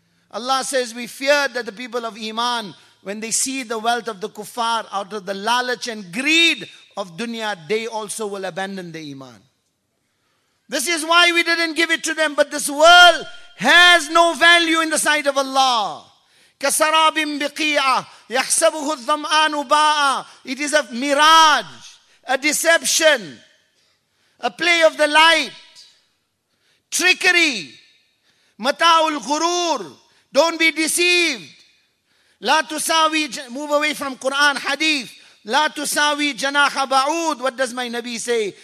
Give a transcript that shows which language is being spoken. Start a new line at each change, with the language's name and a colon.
English: Allah says, we feared that the people of Iman, when they see the wealth of the kuffar out of the lalach and greed of dunya, they also will abandon the Iman. This is why we didn't give it to them. But this world has no value in the sight of Allah.
Arabic: كَسَرَابٍ بِقِيعَةٍ يَحْسَبُهُ الظَّمْآنُ بَاءً.
English: It is a mirage, a deception, a play of the light, trickery.
Arabic: مَتَاعُ الْغُرُورِ.
English: Don't be deceived.
Arabic: لَا تُسَاوِي.
English: Move away from Quran, Hadith.
Arabic: لا تساوي جناح بعوض.
English: What does my Nabi say?